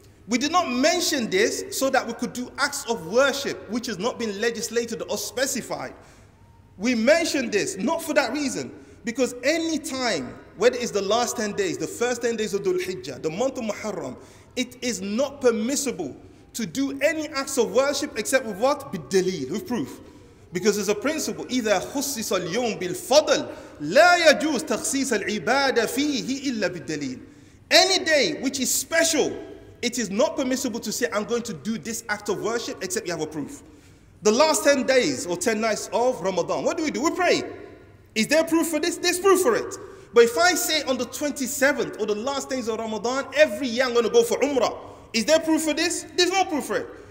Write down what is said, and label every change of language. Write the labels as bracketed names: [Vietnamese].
[English] We did not mention this so that we could do acts of worship which has not been legislated or specified. We mentioned this not for that reason. Because any time, whether it's the last 10 days, the first 10 days of Dhul Hijjah, the month of Muharram, it is not permissible to do any acts of worship except with what? With dalil, with proof. Because there's a principle, [Arabic] إِذَا خُصِّصَ الْيَوْمِ بِالْفَضَلِ لَا يَجُوزْ تَخْصِيصَ الْعِبَادَ فِيهِ إِلَّا بِالدَّلِيلِ. [English] Any day which is special, it is not permissible to say, I'm going to do this act of worship except you have a proof. The last 10 days or 10 nights of Ramadan, what do? We pray. Is there proof for this? There's proof for it. But if I say on the 27th or the last days of Ramadan, every year I'm going to go for Umrah. Is there proof for this? There's no proof for it.